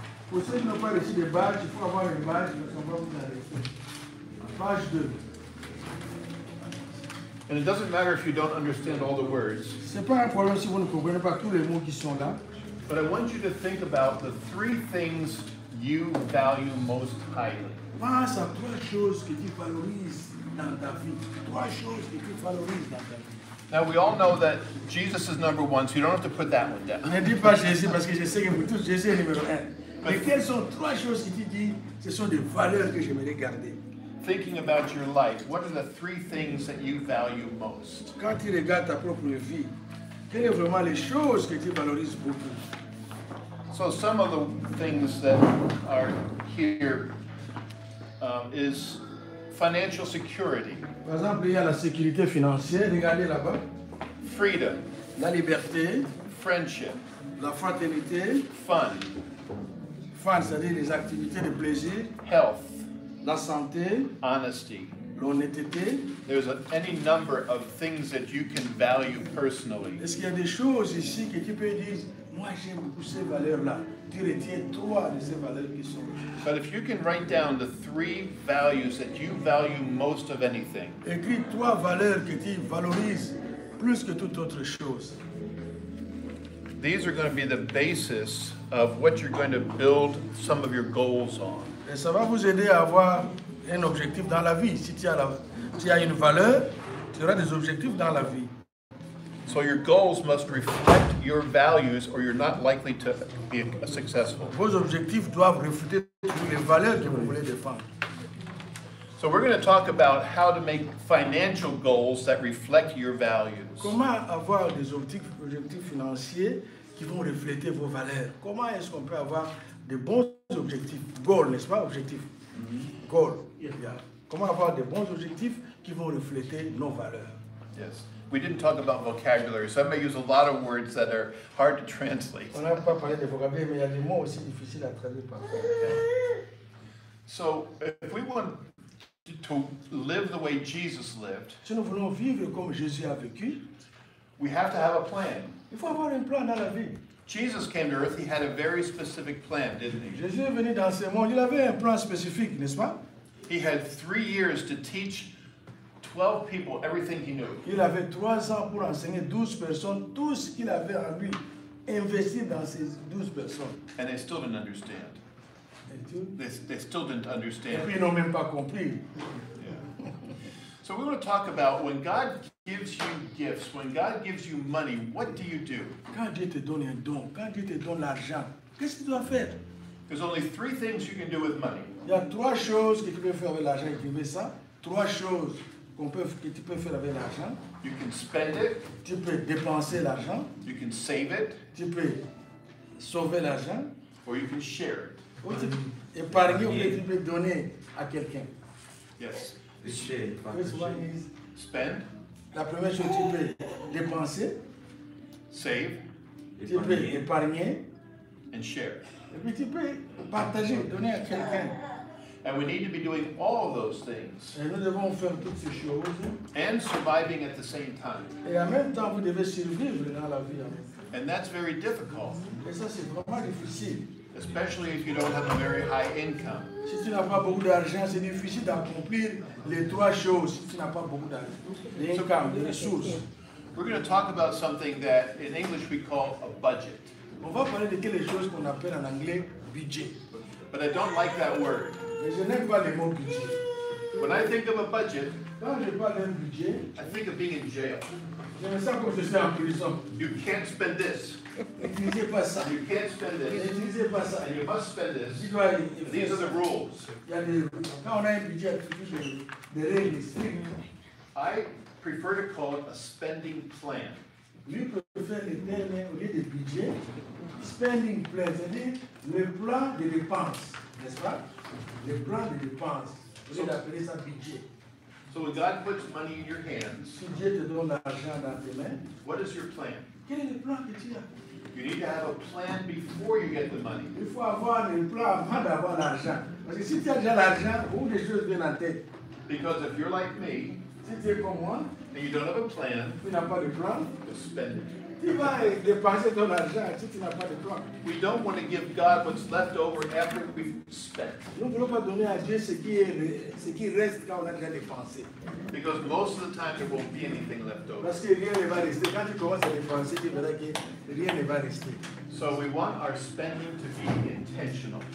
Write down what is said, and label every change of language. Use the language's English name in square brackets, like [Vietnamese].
[French] Pour ceux qui n'ont pas reçu des badges, il faut avoir une badge, mais on va vous arrêter. Page 2. [English] And it doesn't matter if you don't understand all the words. [French] C'est pas un problème si vous ne comprenez pas tous les mots qui sont là. [English] But I want you to think about the three things you value most highly. [French] Pense à trois choses que tu valorises dans ta vie. Trois choses que tu valorises dans ta vie. [English] Now we all know that Jesus is number one, so you don't have to put that one down. [French] Ne dis pas Jésus parce que je sais que vous tous Jésus est numéro un. Mais quelles sont trois choses que tu dis? Ce sont des valeurs que j'aimerais garder. [English] Thinking about your life, what are the three things that you value most? [French] Quand tu regardes ta propre vie, quelles sont vraiment les choses que tu valorises beaucoup? [English] So some of the things that are here is financial security. [French] Par exemple, il y a la sécurité financière, regardez là-bas. [English] Freedom. [French] La liberté. [English] Friendship. [French] La fraternité. [English] Fun. [French] Fun, c'est-à-dire les activités de plaisir. [English] Health. [French] La santé. [English] Honesty. [French] L'honnêteté. [English] There's any number of things that you can value personally. [French] Est-ce qu'il y a des choses ici que tu peux dire, moi j'aime beaucoup ces valeurs-là. [English] But if you can write down the three values that you value most of anything, [French] écris trois valeurs que tu valorises plus que toute autre chose. [English] These are going to be the basis of what you're going to build some of your goals on. [French] Et ça va vous aider à avoir un objectif dans la vie. Si tu as, tu as une valeur, tu auras des objectifs dans la vie. [English] So your goals must reflect your values or you're not likely to be successful. [French] Vos objectifs doivent refléter toutes les valeurs que vous voulez défendre. [English] So we're going to talk about how to make financial goals that reflect your values. [French] Comment avoir des objectifs financiers qui vont refléter vos valeurs? Comment est-ce qu'on peut avoir des bons objectifs? Goals, n'est-ce pas? Objectifs. Mm-hmm. Goals. Yeah. Comment avoir des bons objectifs qui vont refléter nos valeurs? [English] Yes. We didn't talk about vocabulary, so I may use a lot of words that are hard to translate. [French] On n'a pas parlé de vocabulaire, mais il y a des mots aussi difficiles à traduire parfois. [English] So, if we want to live the way Jesus lived, [French] si nous voulons vivre comme Jésus a vécu, [English] we have to have a plan. [French] Il faut avoir un plan dans la vie. [English] Jesus came to earth, he had a very specific plan, didn't he? [French] Jésus est venu dans ce monde, il avait un plan spécifique, n'est-ce pas? [English] He had 3 years to teach 12 people everything he knew. [French] Il avait 3 ans pour enseigner 12 personnes tout ce qu'il avait en lui, investi dans ces 12 personnes. [English] And they still didn't understand. They still didn't understand. [French] Et puis ils n'ont même pas compris. [English] Yeah. So we want to talk about when God gives you gifts, when God gives you money, what do you do? [French] Quand Dieu te donne un don, quand Dieu te donne l'argent, qu'est-ce que tu dois faire? [English] There's only three things you can do with money. [French] Il y a trois choses que tu peux faire avec l'argent, écrivez ça. Trois choses que tu peux faire avec l'argent. [English] You can spend it. [French] Tu peux dépenser l'argent. [English] You can save it. [French] Tu peux sauver l'argent. [English] Or you can share it. [French] Ou tu peux épargner ou tu peux donner à quelqu'un. [English] Yes. First one is spend. [French] La première chose tu peux dépenser. [English] Save. [French] Tu peux épargner. [English] And share. [French] Et puis tu peux partager, donner à quelqu'un. [English] And we need to be doing all those things. [French] Et nous devons faire toutes ces choses. [English] And surviving at the same time. [French] Et en même temps, vous devez survivre dans la vie. [English] And that's very difficult. [French] Et ça, c'est vraiment difficile. [English] Especially if you don't have a very high income. [French] Si tu n'as pas beaucoup d'argent, c'est difficile d'accomplir les trois choses. Si tu n'as pas beaucoup d'argent, l'income, les ressources. [English] We're going to talk about something that in English we call a budget. [French] On va parler de quelque chose qu'on appelle en anglais budget. [English] But I don't like that word. [French] Mais je n'aime pas les mots budget. [English] When I think of a budget, [French] quand je parle d'un budget, [English] I think of being in jail. [French] Je me sens comme si j'étais en prison. [English] You can't spend this. [French] N'utilisez pas ça. [English] You can't spend this. [French] N'utilisez pas ça. [English] And you must spend this. [French] Tu dois, [English] if these are the rules. [French] Il y a des, quand on a un budget, tu dis des règles. [English] I prefer to call it a spending plan. [French] Lui préfère le terme au lieu de budget, spending plan, c'est-à-dire le plan de dépenses, n'est-ce pas? Le plan de dépenses, vous appelez ça budget. [English] So when God puts money in your hands, [French] si Dieu te donne l'argent dans tes mains, [English] what is your plan? [French] Quel est le plan que tu as? [English] You need to have a plan before you get the money. [French] Il faut avoir un plan avant d'avoir l'argent. Parce que si tu as déjà l'argent, beaucoup de choses viennent en tête. [English] Because if you're like me, [French] si tu es comme moi, [English] and you don't have a plan, [French] tu n'as pas de plan, [English] to spend it. [French] Tu vas dépenser ton argent si tu n'as pas de plan. [English] We don't want to give God what's left over after we've spent. [French] Nous ne voulons pas donner à Dieu ce qui reste quand on a déjà dépensé. Because most of the time there won't be anything left over. Parce que rien ne va rester. Quand tu commences à dépenser, tu verras que rien ne va rester. [English] So we want our spending to be intentional.